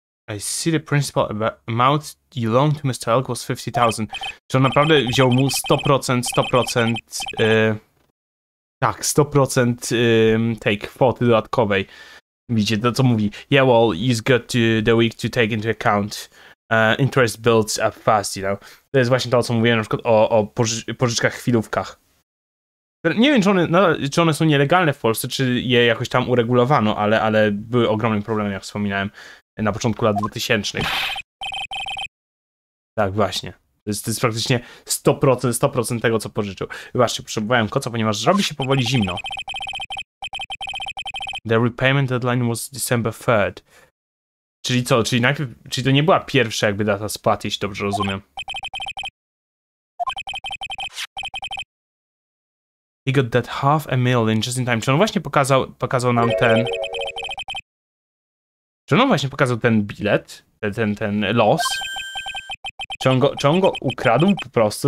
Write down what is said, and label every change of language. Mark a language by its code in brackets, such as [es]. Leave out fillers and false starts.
[en] I see the principal amount you loaned to Mr. Elk was 50,000. [pl] Czy on naprawdę wziął mu 100% tej kwoty dodatkowej. Widzicie, to co mówi. [en] Yeah, well, he's got the week to take into account. Interest builds up fast, you know. [pl] To jest właśnie to, co mówiłem na przykład o pożyczkach chwilówkach. Nie wiem, czy one są nielegalne w Polsce, czy je jakoś tam uregulowano, ale były ogromnym problemem, jak wspominałem. Na początku lat 2000. Tak, właśnie. To jest praktycznie 100% tego, co pożyczył. Właśnie, potrzebowałem koca, ponieważ robi się powoli zimno. [en] The repayment deadline was December 3rd. [pl] Czyli co? Czyli to nie była pierwsza jakby data spłaty, jeśli dobrze rozumiem. [en] He got that half a million just in time. [pl] Czy on właśnie pokazał nam ten... Czy on właśnie pokazał ten bilet, ten los? Czy on go ukradł po prostu?